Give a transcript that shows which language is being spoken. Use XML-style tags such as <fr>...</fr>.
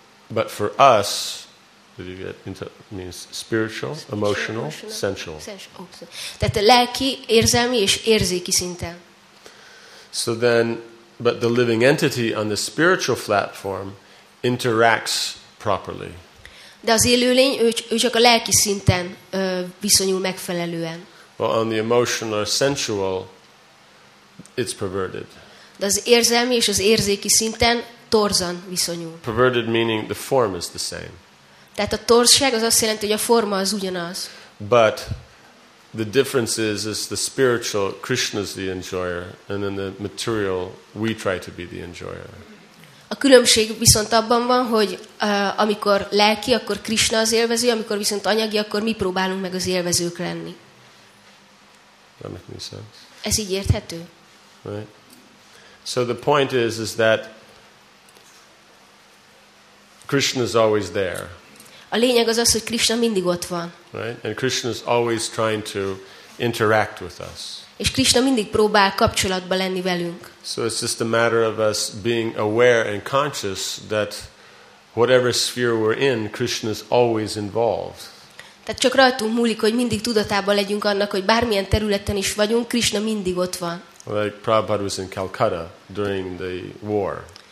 <en>But for us, did you get into, means spiritual, emotional, sensual.</en> <hu>Tehát lelki, érzelmi és érzéki szinten.</hu> <en>So then, but the living entity on the spiritual platform interacts properly.</en> <hu>De az élőlény, ő csak a lelki szinten viszonyul megfelelően.</hu> <en>Well, on the emotional or sensual, it's perverted.</en> <hu>De az érzelmi és az érzéki szinten torzan viszonyul.</hu> <en>Perverted meaning the form is the same.</en> <hu>Tehát a torzság az azt jelenti, hogy a forma az ugyanaz.</hu> <en>But the difference is the spiritual, Krishna's the enjoyer, and in the material, we try to be the enjoyer.</en> <hu>A különbség viszont abban van, hogy amikor lelki, akkor Krishna az élvező, amikor viszont anyagi, akkor mi próbálunk meg az élvezők lenni.</hu> <en>That makes any sense?</en> <hu>Ez így érthető?</hu> <en>Right. So the point is that Krishna is always there.</en> <hu>A lényeg az, hogy Krishna mindig ott van.</hu> <en>Right. And Krishna is always trying to interact with us.</en> <hu>És Krishna mindig próbál kapcsolatba lenni velünk.</hu> <en>So it's just a matter of us being aware and conscious that whatever sphere we're in, Krishna is always involved.</en> <hu>Tehát csak rajtunk múlik, hogy mindig tudatában legyünk annak, hogy bármilyen területen is vagyunk, Krishna mindig ott van.</hu> <en>Like Prabhupada was in Calcutta during the war.</en>